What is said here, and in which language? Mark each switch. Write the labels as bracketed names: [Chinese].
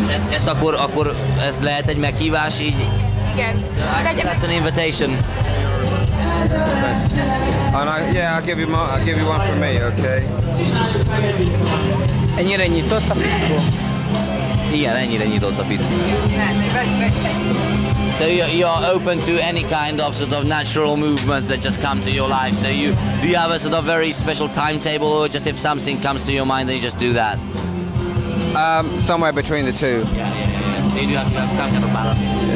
[Hungarian] Ezt akkor ez lehet egy meghívás, így... Igen. [English] That's an invitation. And I'll give you one for me, okay? [Hungarian] Ennyire nyitott a fickó? Igen, ennyire nyitott a fickó. [English] So you're open to any kind of sort of natural movements that just come to your life. So you do you have a sort of very special timetable, or just if something comes to your mind, then you just do that? Somewhere between the two. Yeah. So you do have to have some kind of balance.